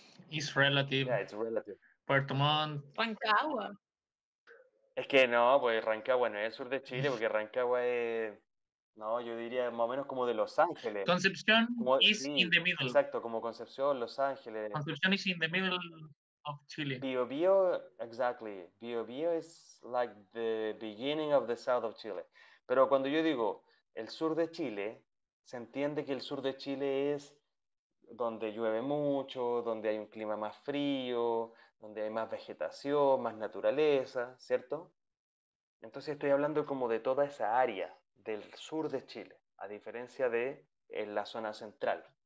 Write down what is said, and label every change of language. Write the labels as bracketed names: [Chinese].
[English] It's relative. Yeah, it's relative. Puerto Montt. Rancagua. [Spanish] Es que no, pues Rancagua no es el sur de Chile, porque Rancagua es, no, yo diría más o menos como de Los Ángeles. [English] Concepción como, is sí, in the middle. [Spanish] Exacto, como Concepción, Los Ángeles. [English] Concepción is in the middle of Chile. Biobío, exactly. Biobío is like the beginning of the south of Chile. [Spanish] Pero cuando yo digo el sur de Chile, se entiende que el sur de Chile es donde llueve mucho, donde hay un clima más frío, donde hay más vegetación, más naturaleza, ¿cierto? Entonces estoy hablando como de toda esa área del sur de Chile, a diferencia de en la zona central.